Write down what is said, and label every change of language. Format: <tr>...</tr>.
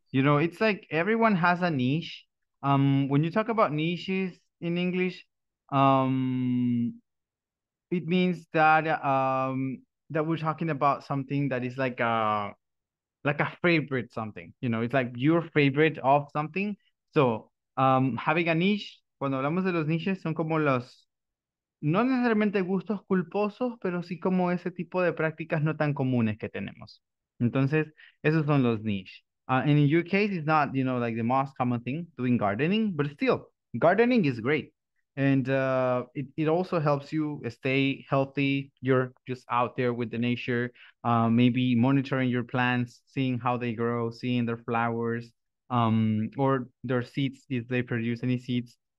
<en>You know, it's like everyone has a niche. When you talk about niches in English, it means that we're talking about something that is like a favorite something. You know, it's like your favorite of something. So, having a niche,</en> <es>cuando hablamos de los niches, son como los no necesariamente gustos culposos, pero sí como ese tipo de prácticas no tan comunes que tenemos. Entonces, esos son los niche.</es> <en>And in your case, it's not, you know, like the most common thing, doing gardening, but still, gardening is great. And it also helps you stay healthy. You're just out there with the nature, maybe monitoring your plants, seeing how they grow, seeing their flowers, or their seeds, if they produce any seeds.</en>